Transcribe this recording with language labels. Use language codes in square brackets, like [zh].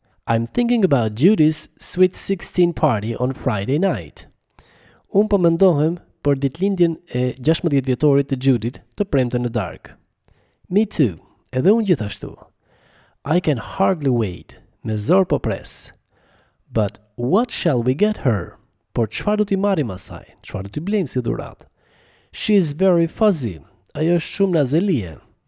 [en] I'm thinking about Judy's sweet 16 party on Friday night. [sq] Unë po mendohem për ditëlindjen e 16 vjetorit të Judit të premten në dark. [en] Me too, [sq] edhe unë gjithashtu. [en] I can hardly wait, [sq] me zor po pres. [en] But what shall we get her? [sq] Por çfarë do t'i marrim asaj? Çfarë do t'i blejmë si dhurat? [en] She's very fuzzy. [sq] Ajo është shumë nazelie.